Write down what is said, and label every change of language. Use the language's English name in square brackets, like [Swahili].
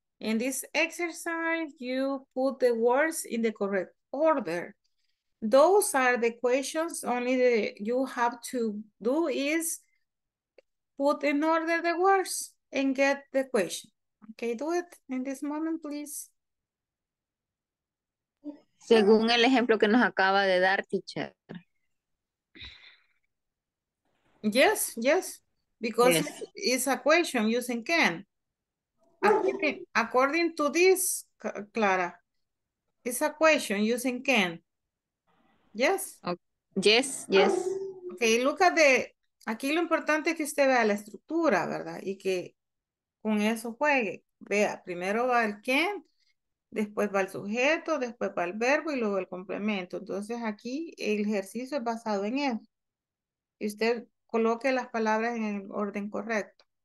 [English] In this exercise, you put the words in the correct order. Those are the questions. Only that you have to do is put in order the words and get the question. Okay, do it in this moment, please. [Spanish] Según el ejemplo que nos acaba de dar, teacher. [English] Yes, yes. Because yes. It's a question using can. According to this, Clara, it's a question using can. Yes? Okay. Yes, yes. Okay, look at the... [Spanish] Aquí lo importante es que usted vea la estructura, ¿verdad? Y que con eso juegue. Vea, primero va el can, después va el sujeto, después va el verbo y luego el complemento. Entonces aquí el ejercicio es basado en eso. Y usted coloque las palabras en el orden correcto.